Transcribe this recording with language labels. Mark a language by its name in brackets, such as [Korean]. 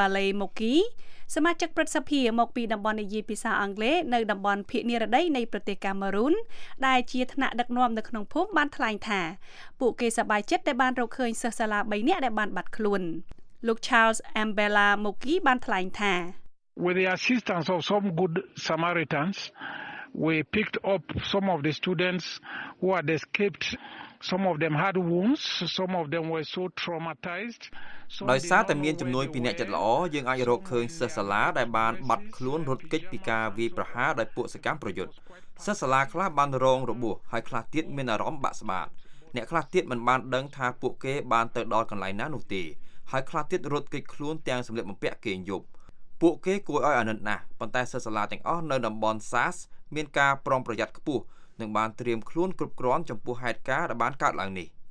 [Khmer] Ballet Moki សមាជិកព្រឹទ្ធសភាមកពីតំបន់និយាយភាសាអង់គ្លេសនៅតំបន់ភាគនិរតីនៃប្រទេសកាមេរូនដែលជាថ្នាក់ដឹកនាំនៅក្នុងភូមិបានថ្លែងថាពួកគេសប្បាយចិត្តដែលបានរកឃើញសិស្សសាលា3នាក់ដែលបានបាត់ខ្លួនលោក Charles M. Ballet Moki បានថ្លែងថា [English] With the assistance of some good Samaritans we picked up some of the students who had escapedSome of them had wounds, some of them were so traumatized. [Khmer] ដោយសារតែមានជំនួយពីអ្នកចិត្តល្អយើងអាចរកឃើញសិស្សសាលាដែលបានបាត់ខ្លួនរត់គេចពីការវាយប្រហារដោយពួកសកម្មប្រយុទ្ធ សិស្សសាលាខ្លះបានរងរបួសហើយខ្លះទៀតមានអារម្មណ៍បាក់ស្បាត អ្នកខ្លះទៀតមិនបានដឹងថាពួកគេបានទៅដល់កន្លែងណានោះទេ ហើយខ្លះទៀតរត់គេចខ្លួនទាំងសម្លៀកបំពាក់គេងយប់ ពួកគេគួរឲ្យអាណិតណាស់ ប៉ុន្តែសិស្សសាលាទាំងអស់នៅតំបន់ SAS មានការប្រុងប្រយ័ត្នខ្ពស់នឹងបានត្រៀមខ្លួនគ្រប់គ្រាន់ចំពោះហេតុការណ៍ដែលបានកើតឡើងនេះ